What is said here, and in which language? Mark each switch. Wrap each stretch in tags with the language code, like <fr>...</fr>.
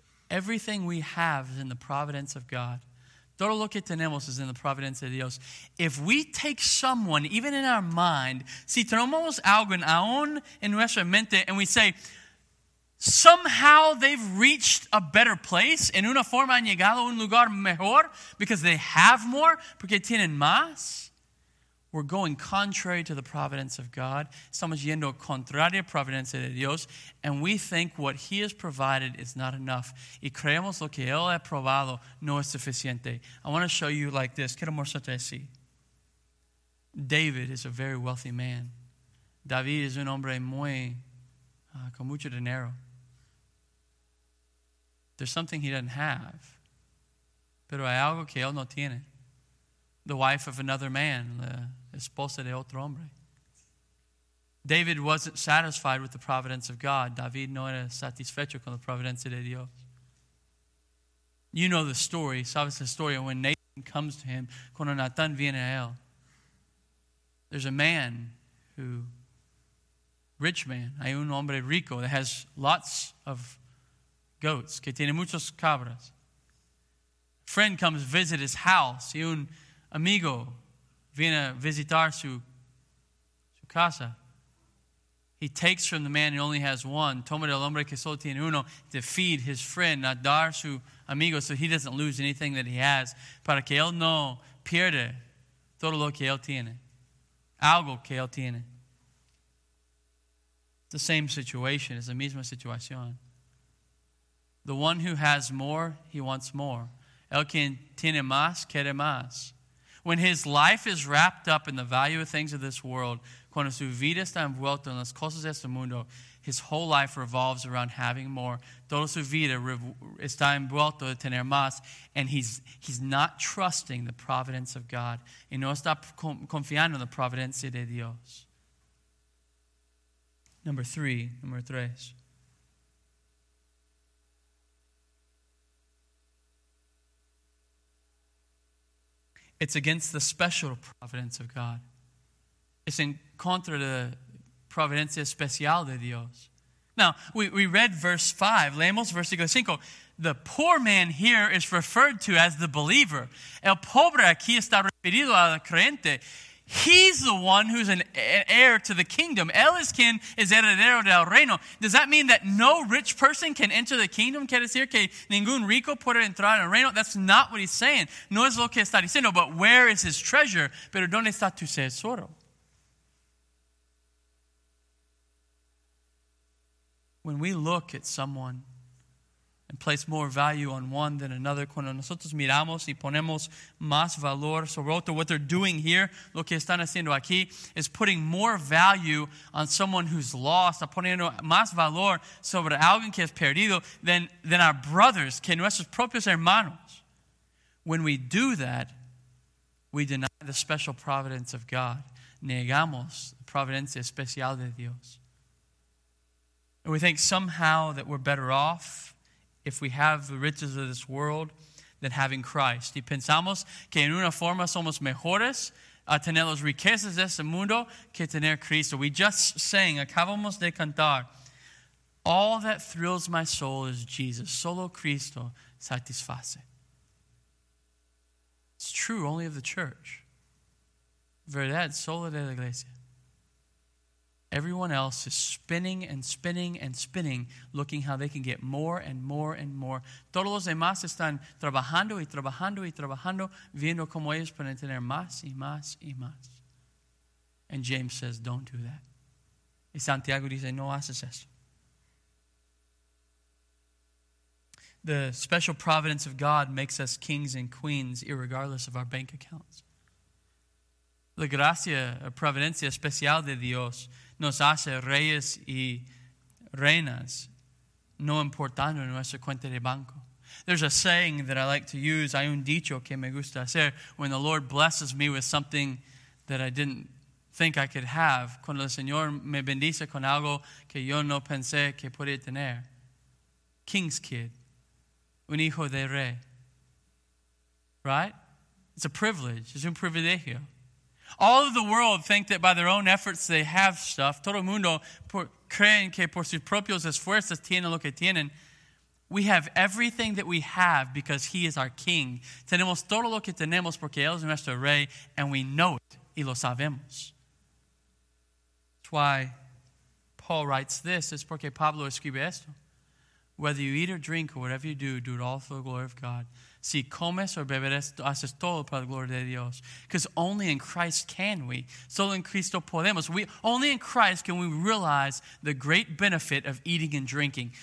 <en>Everything we have is in the providence of God.</en> <es>Todo lo que tenemos es en la providencia de Dios.</es> <en>If we take someone, even in our mind,</en> <es>si tenemos alguien aún en nuestra mente,</es> <en>and we say, somehow they've reached a better place,</en> <es>en una forma han llegado a un lugar mejor,</es> <en>because they have more,</en> <es>porque tienen más,</es> <en>we're going contrary to the providence of God.</en> <es>Estamos yendo contrario a la providencia de Dios,</es> <en>and we think what he has provided is not enough.</en> <es>Y creemos lo que él ha probado no es suficiente.</es> <en>I want to show you like this.</en> <es>Quiero mostrarte así.</es> <en>David is a very wealthy man.</en> <es>David es un hombre muy, con mucho dinero.</es> <en>There's something he doesn't have,</en> <es>pero hay algo que él no tiene.</es> <en>The wife of another man,</en> <es>la esposa de otro hombre.</es> <en>David wasn't satisfied with the providence of God.</en> <es>David no era satisfecho con la providencia de Dios.</es> <en>You know the story.</en> <es>Sabes la historia</es> <en>when Nathan comes to him,</en> <es>cuando Nathan viene a él.</es> <en>There's a man who, rich man,</en> <es>hay un hombre rico</es> <en>that has lots of goats,</en> <es>que tiene muchos cabras.</es> <en>Friend comes visit his house,</en> <es>y un amigo viene a visitar su casa.</es> <en>He takes from the man who only has one.</en> <es>Toma del hombre que solo tiene uno</es> <en>to feed his friend,</en> <es>a dar su amigo,</es> <en>so he doesn't lose anything that he has.</en> <es>Para que él no pierda todo lo que él tiene. Algo que él tiene.</es> <en>The same situation.</en> <es>Es la misma situación.</es> <en>The one who has more, he wants more.</en> <es>El que tiene más, quiere más.</es> <en>When his life is wrapped up in the value of things of this world,</en> <es>cuando su vida está envuelta en las cosas de este mundo,</es> <en>his whole life revolves around having more.</en> <es>Toda su vida está envuelta de tener más,</es> <en>and he's not trusting the providence of God.</en> <es>Y no está confiando en la providencia de Dios.</es> <en>Number three. It's against the special providence of God. It's</en> <es>in contra de providencia especial de Dios.</es> <en>Now, we read verse 5.</en> <es>Leemos versículo 5.</es> <en>The poor man here is referred to as the believer.</en> <es>El pobre aquí está referido al creyente.</es> <en>He's the one who's an heir to the kingdom.</en> <es>Él es quien es heredero del reino.</es> <en>Does that mean that no rich person can enter the kingdom?</en> <es>¿Quiere decir que ningún rico puede entrar en el reino?</es> <en>That's not what he's saying.</en> <es>No es lo que está diciendo,</es> <en>but where is his treasure?</en> <es>Pero ¿dónde está tu tesoro?</es> <en>When we look at someone and place more value on one than another,</en> <es>cuando nosotros miramos y ponemos más valor sobre otro,</es> <en>what they're doing here,</en> <es>lo que están haciendo aquí,</es> <en>is putting more value on someone who's lost,</en> <es>poniendo más valor sobre alguien que es perdido</es> <en>than our brothers,</en> <es>que nuestros propios hermanos.</es> <en>When we do that, we deny the special providence of God.</en> <es>Negamos la providencia especial de Dios.</es> <en>And we think somehow that we're better off if we have the riches of this world, than having Christ.</en> <es>Y pensamos que en una forma somos mejores a tener las riquezas de este mundo que tener Cristo.</es> <en>We just sang,</en> <es>acabamos de cantar,</es> <en>all that thrills my soul is Jesus.</en> <es>Solo Cristo satisface.</es> <en>It's true only of the church.</en> <es>Verdad, solo de la iglesia.</es> <en>Everyone else is spinning and spinning and spinning, looking how they can get more and more and more.</en> <es>Todos los demás están trabajando y trabajando y trabajando, viendo cómo ellos pueden tener más y más y más.</es> <en>And James says, don't do that.</en> <es>Y Santiago dice, no haces eso.</es> <en>The special providence of God makes us kings and queens, irregardless of our bank accounts.</en> <es>La gracia, la providencia especial de Dios nos hace reyes y reinas, no importando nuestra cuenta de banco.</es> <en>There's a saying that I like to use.</en> <es>Hay un dicho que me gusta hacer.</es> <en>When the Lord blesses me with something that I didn't think I could have,</en> <es>cuando el Señor me bendice con algo que yo no pensé que podía tener.</es> <en>King's kid,</en> <es>un hijo de rey.</es> <en>Right? It's a privilege.</en> <es>Es un privilegio.</es> <en>All of the world think that by their own efforts they have stuff.</en> <es>Todo mundo creen que por sus propios esfuerzos tienen lo que tienen.</es> <en>We have everything that we have because he is our king.</en> <es>Tenemos todo lo que tenemos porque él es nuestro rey,</es> <en>and we know it</en> <es>y lo sabemos.</es> <en>That's why Paul writes this. It's</en> <es>porque Pablo escribe esto.</es> <en>Whether you eat or drink or whatever you do, do it all for the glory of God.</en> <es>Si comes o beberes, haces todo para la gloria de Dios.</es> <en>Because only in Christ can we.</en> <es>Solo en Cristo podemos.</es> <en>Only in Christ can we realize the great benefit of eating and drinking.</en>